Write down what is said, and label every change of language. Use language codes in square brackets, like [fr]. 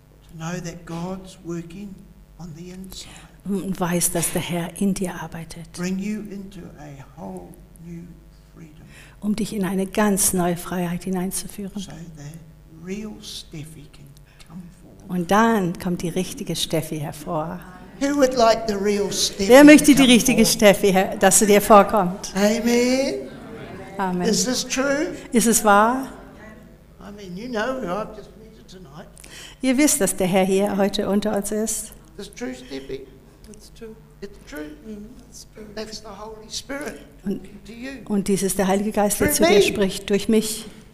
[en] To know that God's working on the inside. [de] Und weiß, dass der Herr in dir arbeitet. [en] Bring you into a whole new freedom. [de] Um dich in eine ganz neue Freiheit hineinzuführen. [en] So the real Steffi. [de] Und dann kommt die richtige Steffi hervor. [en] Who would like the real Steffi? [de] Wer möchte die richtige Steffi, dass sie dir vorkommt? [en] Amen. [de] Amen. [en] Is this true? [de] Ist es wahr? [en] I mean, you know, I've just met you tonight. [de] Ihr wisst, dass der Herr hier heute unter uns ist. [en] It's true, Steffi. It's true. It's true. Mm-hmm. That's the Holy Spirit. [de] Und dies ist der Heilige Geist, der zu dir spricht, durch mich.